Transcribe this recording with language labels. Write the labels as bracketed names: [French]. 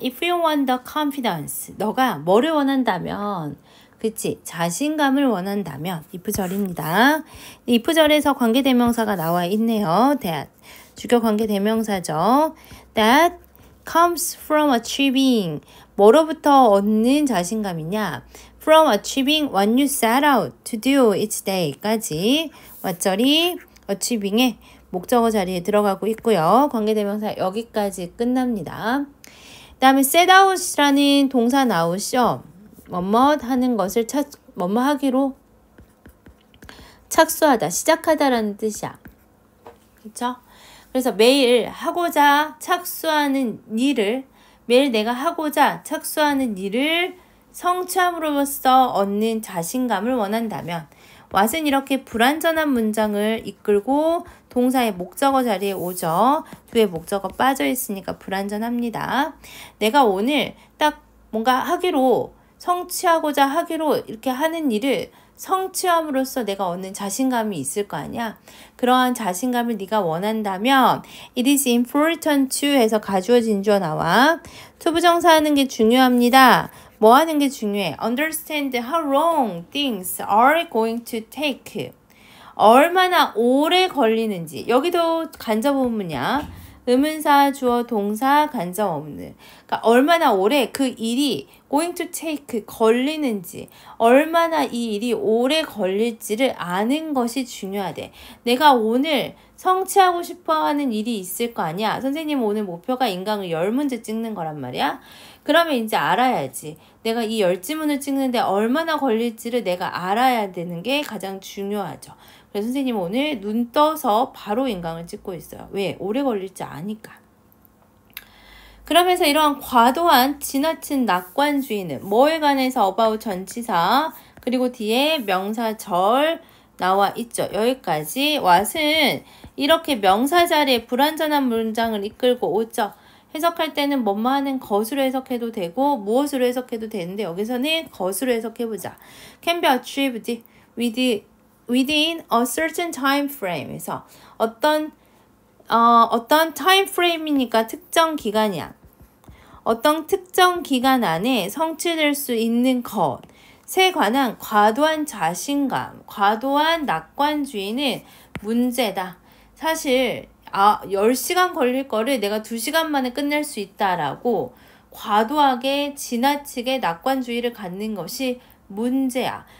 [English] If you want the confidence, [Korean] 너가 뭐를 원한다면, 그치? 자신감을 원한다면, if절입니다. if절에서 관계대명사가 나와 있네요. That, 주격 관계대명사죠. [English] That comes from achieving, [Korean] 뭐로부터 얻는 자신감이냐? [English] From achieving what you set out to do each day [Korean] 까지 what절이 achieving의 목적어 자리에 들어가고 있고요. 관계대명사 여기까지 끝납니다. 그 다음에 set out이라는 동사 나오죠. 뭐뭐 하는 것을 뭐뭐 하기로 착수하다, 시작하다라는 뜻이야. 그쵸? 그래서 매일 하고자 착수하는 일을 매일 내가 하고자 착수하는 일을 성취함으로써 얻는 자신감을 원한다면 what은 이렇게 불완전한 문장을 이끌고 동사의 목적어 자리에 오죠. 뒤에 목적어 빠져있으니까 불완전합니다. 내가 오늘 딱 뭔가 하기로 성취하고자 하기로 이렇게 하는 일을 성취함으로써 내가 얻는 자신감이 있을 거 아니야. 그러한 자신감을 네가 원한다면 [English] it is important to [Korean] 해서 가주어 진주어 나와 to 부정사하는 게 중요합니다. 뭐 하는 게 중요해? [English] Understand how long things are going to take. [Korean] 얼마나 오래 걸리는지. 여기도 간접 의문이야. 의문사, 주어, 동사, 간접 의문. 그러니까 얼마나 오래 그 일이 [English] going to take [Korean] 걸리는지. 얼마나 이 일이 오래 걸릴지를 아는 것이 중요하대. 내가 오늘 성취하고 싶어하는 일이 있을 거 아니야. 선생님 오늘 목표가 인강을 열 문제 찍는 거란 말이야. 그러면 이제 알아야지. 내가 이 열 지문을 찍는데 얼마나 걸릴지를 내가 알아야 되는 게 가장 중요하죠. 그래서 선생님 오늘 눈 떠서 바로 인강을 찍고 있어요. 왜? 오래 걸릴지 아니까. 그러면서 이러한 과도한 지나친 낙관주의는 뭐에 관해서 about 전치사 그리고 뒤에 명사절 나와 있죠. 여기까지 what은 이렇게 명사 자리에 불완전한 문장을 이끌고 오죠. 해석할 때는 뭐뭐 하는 것으로 해석해도 되고 무엇으로 해석해도 되는데 여기서는 것으로 해석해보자. [English] Can be achieved within a certain time frame에서 어떤 time frame이니까 [Korean] 특정 기간이야. 어떤 특정 기간 안에 성취될 수 있는 것. 세 관한 과도한 자신감, 과도한 낙관주의는 문제다. 사실 10시간 걸릴 거를 내가 2시간 만에 끝낼 수 있다라고 과도하게 지나치게 낙관주의를 갖는 것이 문제야.